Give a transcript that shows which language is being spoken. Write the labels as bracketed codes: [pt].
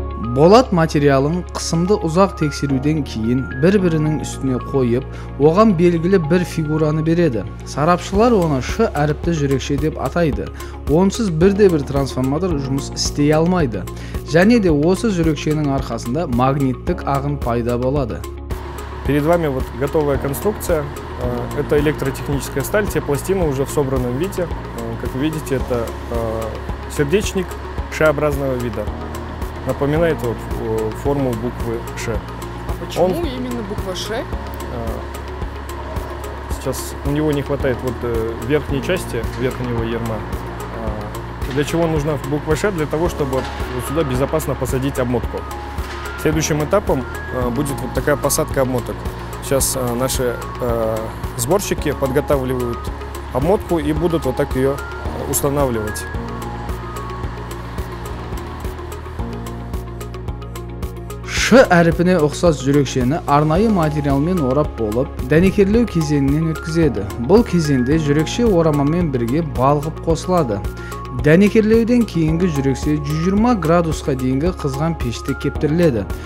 [kk] Болат материалын қысымды ұзақ тексеруден кейін бір-бірінің үстіне қойып, оған белгілі бір фигураны береді. Сарапшылар оны шы әріпті жүрекше деп атайды. Онсыз бірде-бір трансформатор жұмыс істей алмайды. Және де осы жүрекшенің арқасында магниттік ағын пайда болады. [ru] Перед вами вот готовая конструкция. Это электротехническая сталь, те пластины уже в собранном виде. Как вы видите, это сердечник Ш-образного вида. Напоминает вот форму буквы Ш. А почему он, именно буква Ш? Сейчас у него не хватает вот верхней части, верхнего ярма. Для чего нужна буква Ш? Для того, чтобы вот сюда безопасно посадить обмотку. Следующим этапом будет вот такая посадка обмоток. Сейчас наши сборщики подготавливают обмотку и будут вот так ее устанавливать. [kk] Ш әріпіне ұқсас жүрекшені арнайы материалмен орап болып, дәнекерлеу кезеңінен өткізеді. Бұл кезеңде жүрекше орамамен бірге балғып қосылады. Дәнекерлеуден кейінгі жүрекше 120 градусқа дейінгі қызған пеште кептіріледі.